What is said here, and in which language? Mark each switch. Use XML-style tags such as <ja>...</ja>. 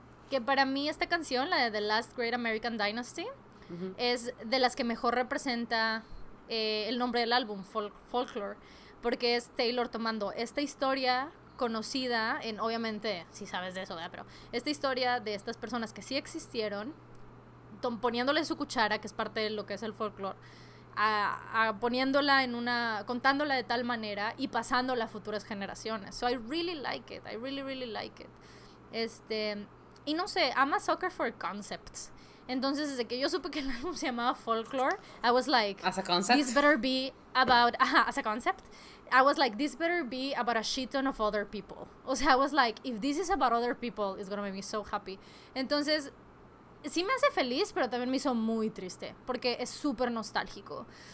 <es>Que para mí esta canción, la de The Last Great American Dynasty, uh-huh, es de las que mejor representa el nombre del álbum, Folklore, porque es Taylor tomando esta historia conocida en, obviamente, si sabes de eso, ¿verdad? Pero esta historia de estas personas que sí existieron, poniéndole su cuchara, que es parte de lo que es el folklore, a poniéndola en una, contándola de tal manera y pasándola a futuras generaciones.</es> <en>So I really, really like it.</en> <es>Y no sé,</es> <en>I'm a sucker for concepts.</en> <es>Entonces, desde que yo supe que el álbum se llamaba Folklore,</es> <en>I was like, as a concept, this better be about, as a concept, I was like, this better be about a shit ton of other people.</en> <es>O sea,</es> <en>I was like, if this is about other people, it's gonna make me so happy.</en> <es>Entonces, sí me hace feliz, pero también me hizo muy triste, porque es súper nostálgico.</es>